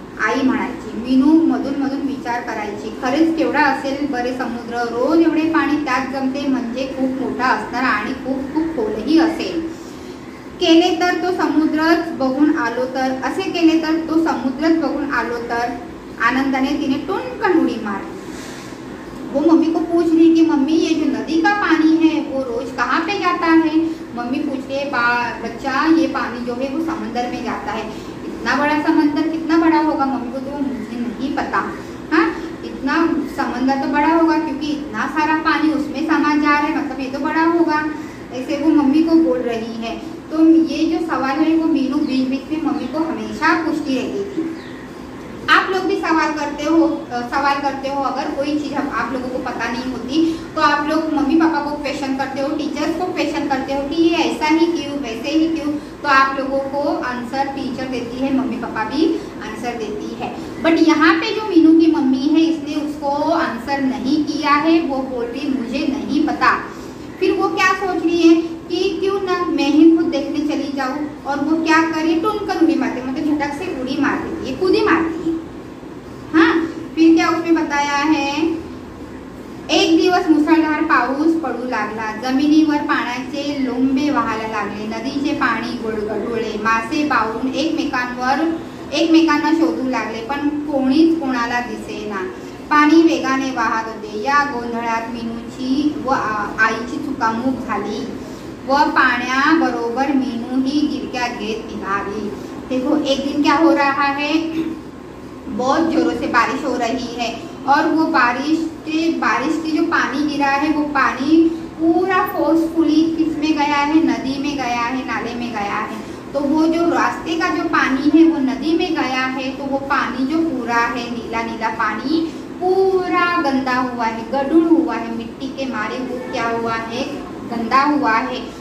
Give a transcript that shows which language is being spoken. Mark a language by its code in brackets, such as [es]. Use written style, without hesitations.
[mr] आई म्हणायची, मीनू मधून मधून विचार करायची, खरेच केवढा असेल बरे समुद्र, रोज एवढे पाणी त्यात जमते म्हणजे खूप मोठा असणार आणि खूप खूप खोलही असेल, केले तर तो समुद्रच बघून आलो तर, असे केले तर तो समुद्रच बघून आलो तर, आनंदाने तिने टुनकन उडी मारली। [hi] वो मम्मी को पूछ रही कि मम्मी ये जो नदी का पानी है वो रोज कहाँ पे जाता है। मम्मी पूछ रही है बच्चा ये पानी जो है वो समंदर में जाता है। इतना बड़ा समंदर कितना बड़ा होगा? मम्मी को तो मुझे नहीं पता। हाँ इतना समंदर तो बड़ा होगा क्योंकि इतना सारा पानी उसमें समा जा रहा है, मतलब ये तो बड़ा होगा, ऐसे वो मम्मी को बोल रही है। तो ये जो सवाल है वो मीनू बीच बीच में मम्मी को हमेशा पूछती रहती थी। आप लोग भी सवाल करते हो अगर कोई चीज आप लोगों को पता नहीं होती तो आप लोग मम्मी पापा को क्वेश्चन करते हो, टीचर्स को क्वेश्चन करते हो कि ये ऐसा ही क्यों वैसे ही क्यों, तो आप लोगों को आंसर टीचर देती है, मम्मी पापा भी आंसर देती है। बट यहाँ पे जो मीनू की मम्मी है इसने उसको आंसर नहीं किया है, वो बोल रही मुझे नहीं पता। फिर वो क्या सोच रही है कि क्यों ना मैं ही खुद देखने चली जाऊँ, और वो क्या करी टुनकन उड़ी मारती, मतलब झटक से उड़ी मार देती है, खुद ही मारती है। हाँ फिर क्या उसमें बताया है, [mr] एक दिवस मुसळधार पाऊस पडू लागला, जमिनीवर पाण्याचे लोंबे वाहायला लागले, नदीचे पाणी गुळगुळले, मासे पाहून एकमेकांना शोधू लागले, पण कोणीच कोणाला दिसेना, पाणी वेगाने वाहत होते। या गोंधळात मीनूची व आईची चुकामूक झाली व पाण्याबरोबर मीनू ही गिरक्या घेत निघाली। [hi] देखो एक दिन क्या हो रहा है, बहुत जोरों से बारिश हो रही है और वो बारिश के जो पानी गिरा है वो पानी पूरा फोर्सफुली किस में गया है, नदी में गया है, नाले में गया है। तो वो जो रास्ते का जो पानी है वो नदी में गया है, तो वो पानी जो पूरा है नीला नीला पानी पूरा गंदा हुआ है, गड़ूड़ हुआ है, मिट्टी के मारे वो क्या हुआ है, गंदा हुआ है।